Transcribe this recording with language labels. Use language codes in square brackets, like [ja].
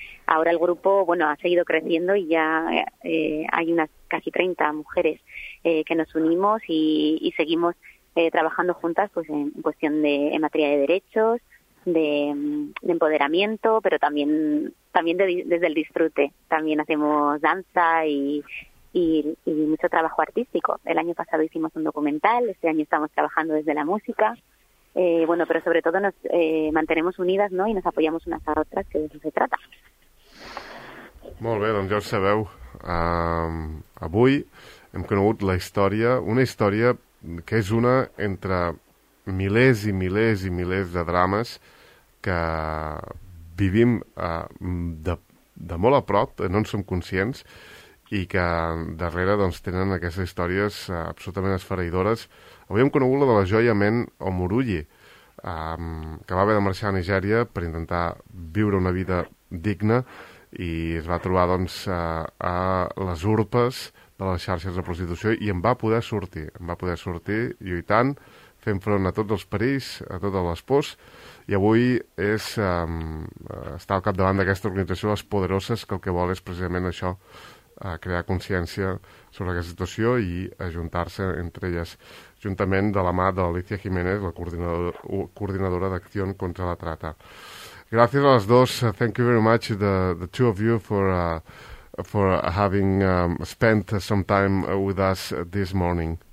[es] Ahora el grupo, bueno, ha seguido creciendo y ya hay unas casi 30 mujeres que nos unimos y seguimos trabajando juntas pues en cuestión de, en materia de derechos, de empoderamiento, pero también desde el disfrute. También hacemos danza y mucho trabajo artístico. El año pasado hicimos un documental, este año estamos trabajando desde la música. Bueno, pero sobre todo nos mantenemos unidas, ¿no? Y nos apoyamos unas a otras, que de eso se trata. [ca] Molt bé, doncs ja ho sabeu. Avui hem conegut la història, una història que és una entre milers i milers i milers de drames que vivim de molt a prop, no en som conscients, i que darrere doncs, tenen aquestes històries absolutament esfereïdores. Avui hem conegut la de la Joia Men Omorulli, que va haver de marxar a Nigèria per intentar viure una vida digna i es va trobar doncs, a les urpes de les xarxes de prostitució i en va poder sortir lluitant, fent front a tots els perills, a totes les pors, i avui és estar al capdavant d'aquesta organització, Les Poderosas, que el que vol és precisament això, crear consciència sobre aquesta situació i ajuntar-se entre elles, juntament de la mà de Alicia Jiménez, la coordinadora d'Acció contra la Trata. [es] Gracias a las dos. [en] Thank you very much, the two of you, for having spent some time with us this morning.